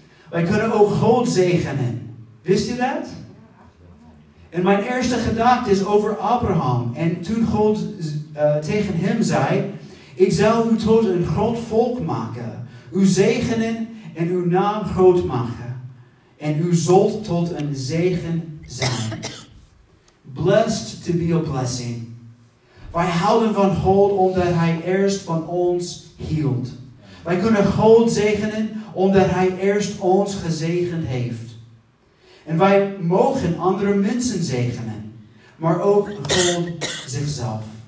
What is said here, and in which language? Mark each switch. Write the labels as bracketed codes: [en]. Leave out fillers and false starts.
[nl] Wij kunnen ook God zegenen. Wist u dat? En mijn eerste gedachte is over Abraham. En toen God tegen hem zei, ik zal u tot een groot volk maken. U zegenen en uw naam groot maken. En u zult tot een zegen zijn. [en] Blessed to be a blessing. [nl] Wij houden van God omdat hij eerst van ons hield. Wij kunnen God zegenen omdat hij eerst ons gezegend heeft. En wij mogen andere mensen zegenen. Maar ook God zichzelf.